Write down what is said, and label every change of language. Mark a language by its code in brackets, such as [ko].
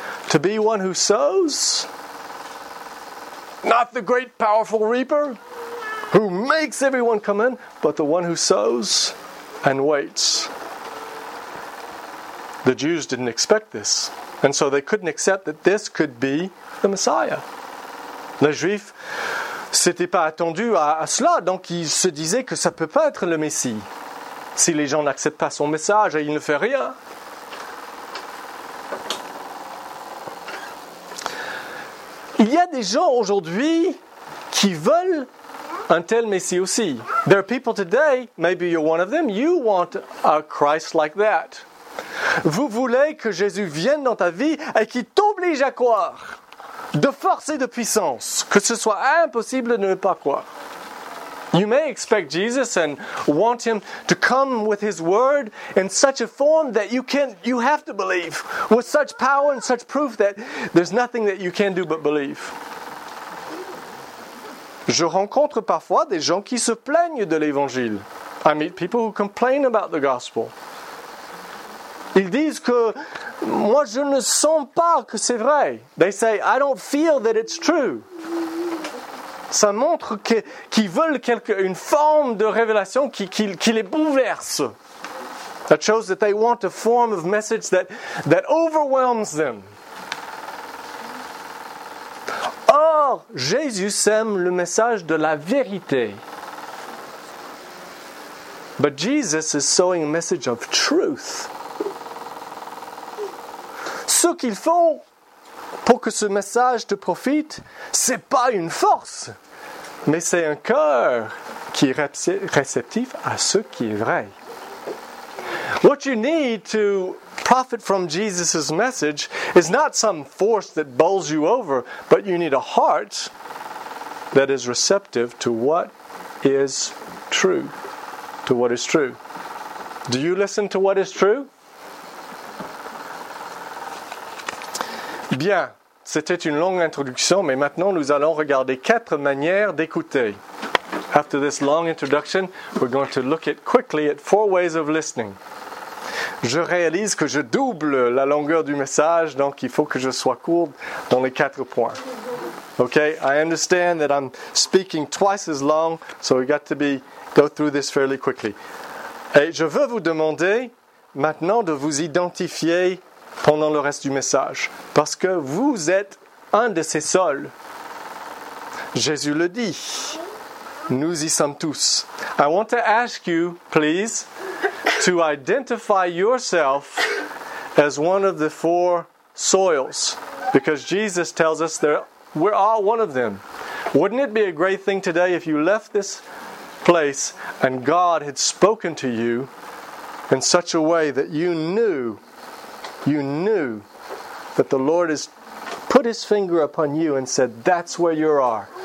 [en] To be one who sows, not the great powerful reaper who makes everyone come in, but the one who sows and waits. The Jews didn't expect this, and so they couldn't accept that this could be the Messiah. [fr] Les Juifs s'étaient pas attendus à cela, donc ils se disaient que ça peut pas être le Messie. Si les gens n'acceptent pas son message, il ne fait rien. Il y a des gens aujourd'hui qui veulent un tel Messie aussi. [en] There are people today, maybe you're one of them, you want a Christ like that. [fr] Vous voulez que Jésus vienne dans ta vie et qu'il t'oblige à croire de force et de puissance, que ce soit impossible de ne pas croire. [en] You may expect Jesus and want him to come with his word in such a form that you have to believe, with such power and such proof that there's nothing that you can do but believe. [fr] Je rencontre parfois des gens qui se plaignent de l'évangile. [en] I meet people who complain about the gospel. [fr] Ils disent que moi je ne sens pas que c'est vrai. [en] They say, I don't feel that it's true. [fr] Ça montre qu'ils veulent une forme de révélation qui les bouleverse. [en] That shows that they want a form of message that overwhelms them. [fr] Or, Jésus sème le message de la vérité. [en] But Jesus is sowing a message of truth. [fr] Ce qu'il faut pour que ce message te profite, c'est pas une force, mais c'est un cœur qui est réceptif à ce qui est vrai. [en] What you need to profit from Jesus' message is not some force that bowls you over, but you need a heart that is receptive to what is true. To what is true. Do you listen to what is true? [fr] Bien, c'était une longue introduction, mais maintenant nous allons regarder quatre manières d'écouter. [en] After this long introduction, we're going to look at quickly at four ways of listening. [fr] Je réalise que je double la longueur du message, donc il faut que je sois court dans les quatre points. [en] Okay, I understand that I'm speaking twice as long, so we got to go through this fairly quickly. [fr] Et je veux vous demander maintenant de vous identifier pendant le reste du message, parce que vous êtes un de ces seuls. Jésus le dit. Nous y sommes tous. [en] I want to ask you, please, to identify yourself as one of the four soils, because Jesus tells us that we're all one of them. Wouldn't it be a great thing today if you left this place and God had spoken to you in such a way that you knew that the Lord has put his finger upon you and said, that's where you are.